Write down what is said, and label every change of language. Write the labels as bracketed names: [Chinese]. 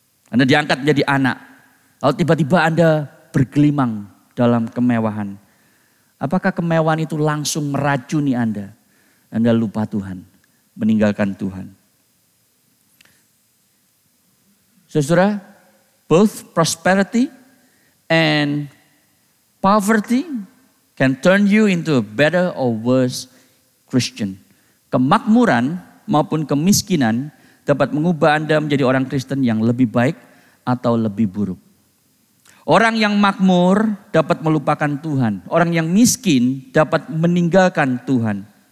[Indonesian] Anda diangkat menjadi anak. Lalu tiba-tiba Anda bergelimang dalam kemewahan. Apakah kemewahan itu langsung meracuni Anda? Anda lupa Tuhan, meninggalkan Tuhan. Saudara, [English] both prosperity and poverty can turn you into a better or worse Christian. [Indonesian] Kemakmuran maupun kemiskinan dapat mengubah Anda menjadi orang Kristen yang lebih baik atau lebih buruk. Orang yang makmur dapat melupakan Tuhan. Orang yang miskin dapat meninggalkan Tuhan.